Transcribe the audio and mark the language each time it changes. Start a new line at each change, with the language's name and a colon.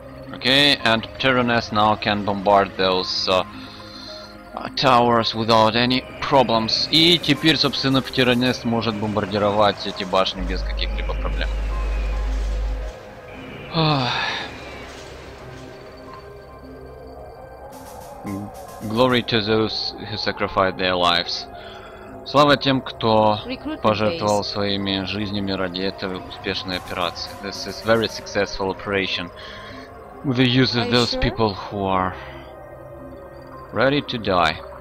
English: Okay, and Pteranest now can bombard those towers without any problems.
Russian: И теперь, собственно, Pteranest может бомбардировать эти башни без каких-либо проблем.
English: Glory to those who sacrificed their lives.
Russian: Слава тем, кто пожертвовал своими жизнями ради этой успешной операции.
English: This is very successful operation. With the use of those people who are ready to die.